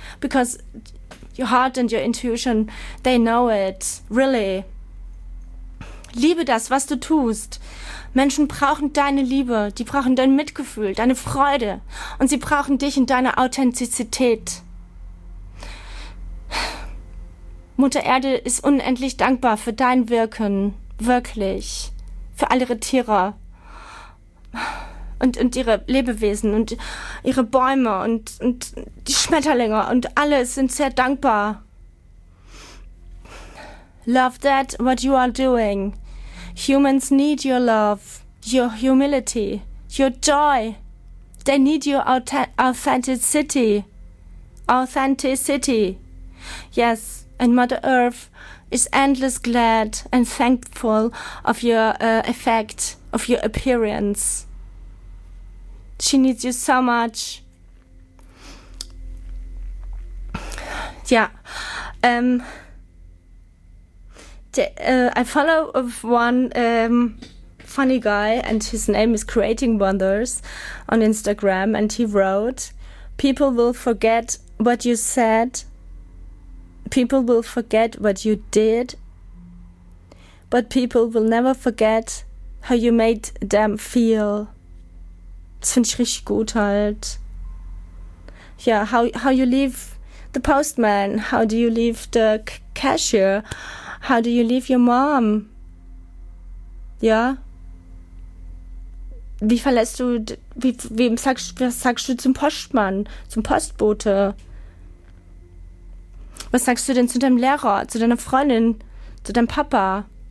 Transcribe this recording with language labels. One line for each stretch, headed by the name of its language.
English: Because your heart and your intuition, they know it, really.
German: Liebe das, was du tust. Menschen brauchen deine Liebe. Die brauchen dein Mitgefühl, deine Freude. Und sie brauchen dich und deine Authentizität. Mutter Erde ist unendlich dankbar für dein Wirken, wirklich, für alle ihre Tiere und ihre Lebewesen und ihre Bäume und die Schmetterlinge und alle sind sehr dankbar.
English: Love that, what you are doing. Humans need your love, your humility, your joy. They need your authenticity. Authenticity. Yes. And Mother Earth is endless glad and thankful of your effect, of your appearance. She needs you so much. Yeah. I follow of one funny guy and his name is Creating Wonders on Instagram and he wrote, people will forget what you said. People will forget what you did, but people will never forget how you made them feel.
German: Das finde ich richtig gut halt.
English: Ja, yeah, how you leave the postman, how do you leave the cashier, how do you leave your mom?
German: Ja?
English: Yeah.
German: Wie verlässt du, wem sagst du zum Postmann, zum Postbote? Was sagst du denn zu deinem Lehrer, zu deiner Freundin, zu deinem Papa?